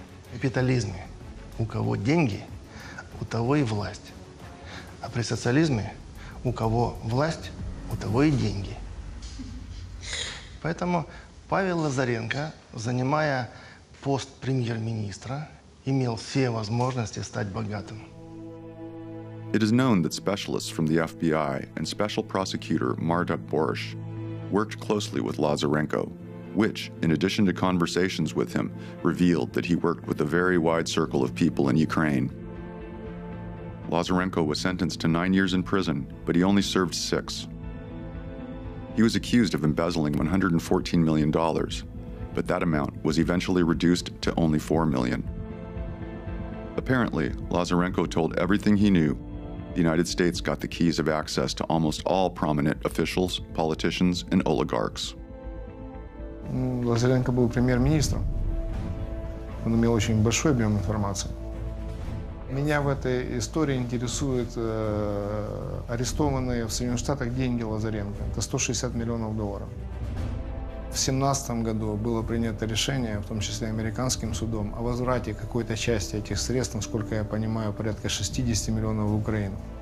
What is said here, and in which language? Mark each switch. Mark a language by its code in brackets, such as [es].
[ru] В капитализме у кого деньги, у того и власть. А при социализме у кого власть, у того и деньги. Поэтому Павел Лазаренко, занимая пост премьер-министра, имел все возможности стать богатым. [en] It is known that specialists from the FBI and special prosecutor Marta Borsch worked closely with Lazarenko, which, in addition to conversations with him, revealed that he worked with a very wide circle of people in Ukraine. Lazarenko was sentenced to 9 years in prison, but he only served six. He was accused of embezzling $114 million, but that amount was eventually reduced to only $4 million. Apparently, Lazarenko told everything he knew, the United States got the keys of access to almost all prominent officials, politicians, and oligarchs. [ru] Лазаренко был премьер-министром. Он имел очень большой объем информации. Меня в этой истории интересуют арестованные в Соединенных Штатах деньги Лазаренко. Это 160 миллионов долларов. В 2017 году было принято решение, в том числе американским судом, о возврате какой-то части этих средств, насколько я понимаю, порядка 60 миллионов в Украину.